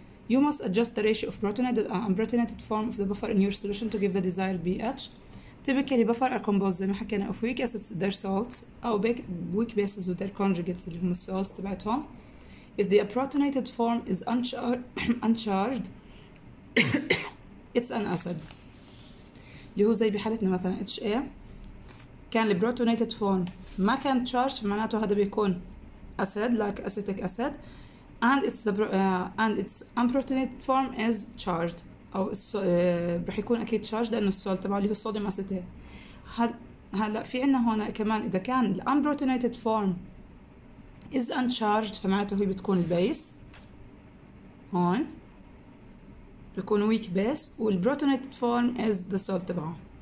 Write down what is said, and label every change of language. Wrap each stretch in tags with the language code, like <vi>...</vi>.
<en>You must adjust the ratio of protonated and unprotonated form of the buffer in your solution to give the desired pH. Typically, buffer are composed</en> <ar>زي ما حكينا</ar> <en>of weak acids their salts أو weak bases with their conjugates</en> <ar>اللي هم</ar> <en>salts تبعتهم. If the protonated form is uncharged, it's an acid.</en> <ar>اللي هو زي بحالتنا مثلا HA كان البروتونيتد form ما كان charged معناته هذا بيكون acid like acetic acid.</ar> <en>And it's the and its unprotonated form is charged.</en> <ar>أو رح يكون أكيد charged لأنه الصول تبعه اللي هو الصوديوم أسيتات. هلأ في عنا هنا كمان إذا كان</ar> <en>the unprotonated form is uncharged</en> <ar>فمعناته هو بتكون base هون بيكون weak base والprotonated form is the salt تبعه.</ar>